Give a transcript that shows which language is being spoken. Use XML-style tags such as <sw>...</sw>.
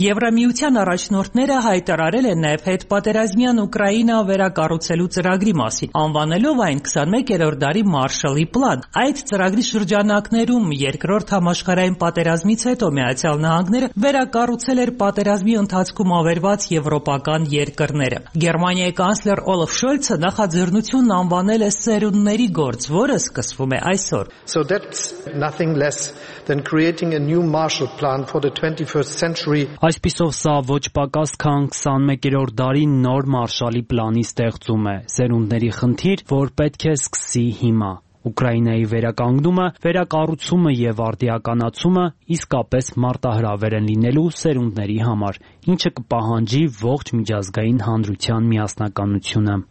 <hy>Եվրամիության առաջնորդները հայտարարել են նաև հետպատերազմյան Ուկրաինա վերակառուցելու ծրագրի մասին, անվանելով այն 21-րդ դարի Մարշալի պլան։ Այդ ծրագրի շրջանակներում երկրորդ համաշխարհային պատերազմից հետո Միացյալ Նահանգները վերակառուցել էր պատերազմի ընթացքում ավերված եվրոպական երկրները։ Գերմանիայի կանսլեր Օլաֆ Շոլցը նախաձեռնությունն անվանել է սերունդների գործ, որը սկսվում է այսօր։</hy> <en>So that's nothing less than creating a new Marshall Plan for the 21st century.</en> <hy>Այսպիսով սա ոչ պակաս քան 21-րդ դարի նոր Մարշալի պլանի ստեղծում է, սերունդների խնդիր, որ պետք է սկսի հիմա։ Ուկրաինայի վերականգնումը, վերակառուցումը եւ արդիականացումը իսկապես մարտահրավեր են լինելու սերունդների համար, ինչը կպահանջի ողջ միջազգային հանրության միասնականությունը։</hy>